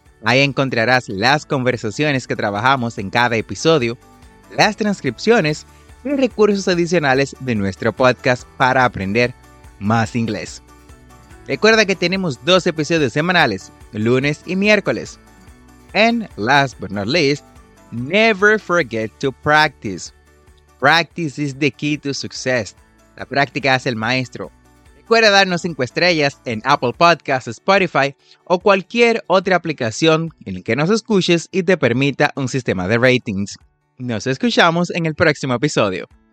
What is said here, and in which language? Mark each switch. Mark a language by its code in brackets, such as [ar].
[es] Ahí encontrarás las conversaciones que trabajamos en cada episodio, las transcripciones y recursos adicionales de nuestro podcast para aprender más inglés. Recuerda que tenemos dos episodios semanales, lunes y miércoles. [en] And last but not least, never forget to practice. Practice is the key to success. [es] La práctica hace el maestro. Recuerda darnos 5 estrellas en Apple Podcasts, Spotify o cualquier otra aplicación en la que nos escuches y te permita un sistema de ratings. Nos escuchamos en el próximo episodio.